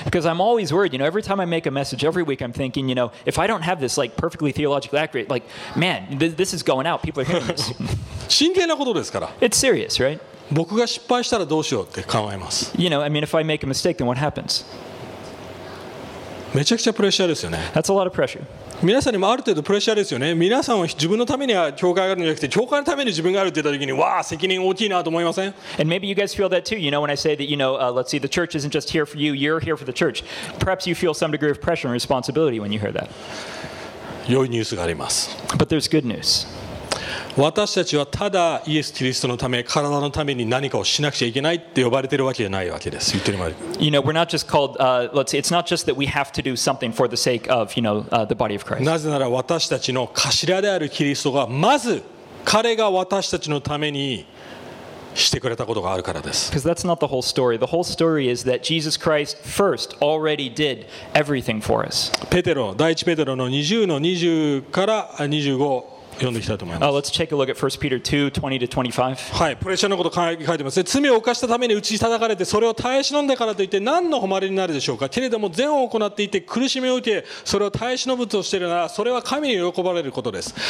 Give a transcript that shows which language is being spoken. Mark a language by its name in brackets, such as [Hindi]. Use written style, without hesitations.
[English] Because I'm always worried. You know, every time I make a message every week, I'm thinking, you know, if I don't have this like perfectly theologically accurate, like, man, this is going out. People are hearing this. [Japanese] 真剣なことですから。 [English] It's serious, right? [Japanese] 僕が失敗したらどうしようって考えます。 [English] You know, I mean, if I make a mistake, then what happens? [Japanese] めちゃくちゃプレッシャーですよね。 [English] That's a lot of pressure. [Japanese] 皆さんにもある程度プレッシャーですよね。皆さんは自分のために教会があるんじゃなくて、教会のために自分があるって言った時に、わあ、責任大きいなと思いません？ [English] And maybe you guys feel that too. You know, when I say that, you know, let's see, the church isn't just here for you. You're here for the church. Perhaps you feel some degree of pressure and responsibility when you hear that. [Japanese] 良いニュースがあります。 [English] But there's good news. [Japanese] 私たちはただイエス・キリストのため、体のために何かをしなくちゃいけないって呼ばれているわけじゃないわけです。言ってるまで。 [English] You know, we're not just called, let's see, it's not just that we have to do something for the sake of, you know, the body of Christ. [Japanese] なぜなら私たちの頭であるキリストが、まず彼が私たちのためにしてくれたことがあるからです。 [English] Because that's not the whole story. The whole story is that Jesus Christ first already did everything for us. ペテロ、第一ペテロの20の20から25。 Let's take a look at 1 Peter 2:20-25. [Japanese] はい、プレッシャーのこと書いてます。罪を犯したために打ち叩かれて、それを耐え忍んでからといって何の誉れになるでしょうか。けれども善を行っていて苦しみを受け、それを耐え忍ぶとしているなら、それは神に喜ばれることです。